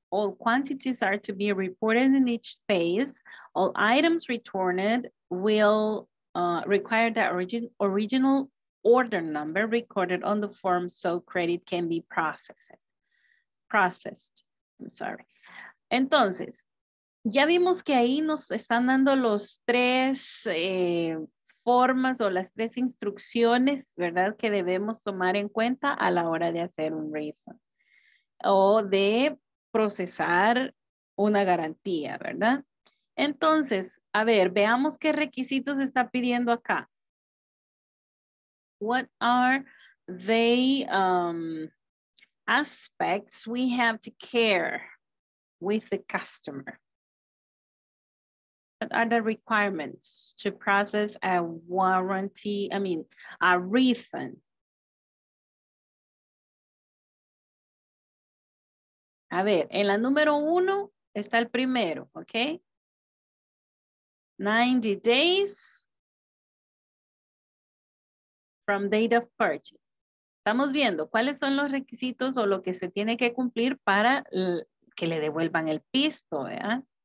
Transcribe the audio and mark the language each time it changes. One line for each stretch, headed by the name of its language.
English: All quantities are to be reported in each space. All items returned will require the original order number recorded on the form so credit can be processed. I'm sorry.
Spanish: Entonces, ya vimos que ahí nos están dando los tres formas o las tres instrucciones, ¿verdad? Que debemos tomar en cuenta a la hora de hacer un refund o de procesar una garantía, ¿verdad? Entonces, a ver, veamos qué requisitos está pidiendo acá.
English: What are the aspects we have to care with the customer? What are the requirements to process a warranty, a refund?
Spanish: A ver, en la número uno está el primero, okay?
English: 90 days from date of purchase.
Spanish: Estamos viendo cuáles son los requisitos o lo que se tiene que cumplir para que le devuelvan el pisto, ¿verdad?